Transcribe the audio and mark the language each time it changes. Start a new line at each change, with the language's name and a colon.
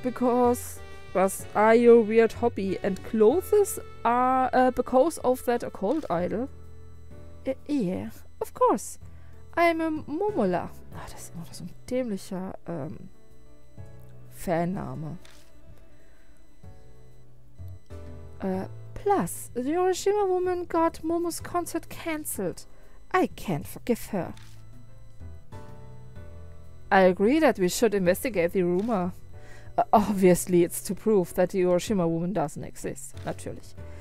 English: Because was are your weird hobby and clothes are because of that occult idol? Yeah, of course. I'm a Momola.
German: Ach, das ist immer noch so ein dämlicher Fanname.
English: Plus, the Hiroshima woman got Momo's concert cancelled. I can't forgive her. I agree that we should investigate the rumor. Obviously, it's to prove that the Hiroshima woman doesn't exist.
German: Natürlich.